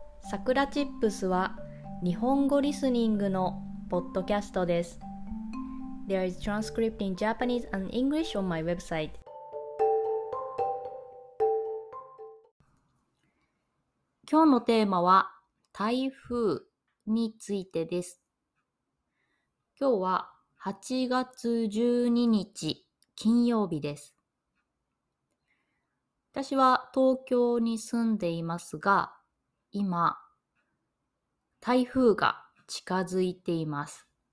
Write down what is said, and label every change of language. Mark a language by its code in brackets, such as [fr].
[ja] さくらチップスは日本語リスニングのポッドキャストです。 [en] There is transcript in Japanese and English on my website。 [ja] 今日のテーマは台風についてです。今日は8月12日金曜日です。私は東京に住んでいますが、今台風が近づいています。